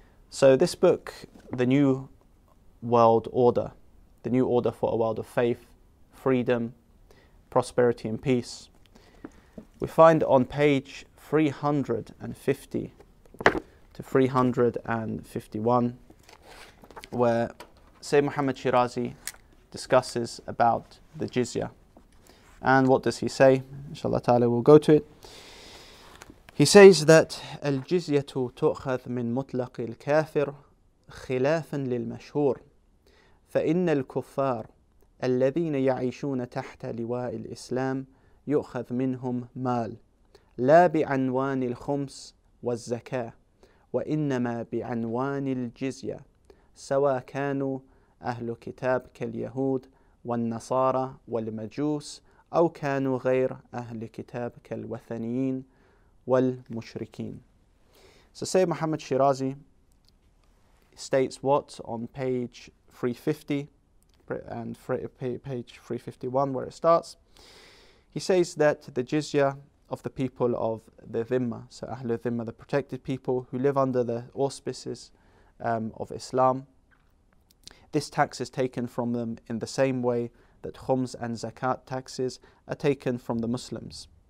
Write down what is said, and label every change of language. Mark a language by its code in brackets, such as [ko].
[en] So this book, The New World Order, The New Order for a World of Faith, Freedom, Prosperity and Peace, we find on page 350 to 351 where Sayyid Muhammad Shirazi discusses about the jizya. And what does he say? Inshallah ta'ala, we'll go to it. He says that [ar] الجزية تؤخذ من مطلق الكافر خلافا للمشهور فإن الكفار الذين يعيشون تحت لواء الإسلام يؤخذ منهم مال لا بعنوان الخمس والزكاة وإنما بعنوان الجزية سواء كانوا أهل كتاب كاليهود والنصارى والمجوس أو كانوا غير أهل كتاب كالوثنيين والمشركين. [en] So Sayyid Muhammad Shirazi states what on page 350 and page 351 where it starts. He says that the jizya of the people of the dhimma, so Ahlul Dhimma, the protected people who live under the auspices of Islam, this tax is taken from them in the same way that khums and zakat taxes are taken from the Muslims.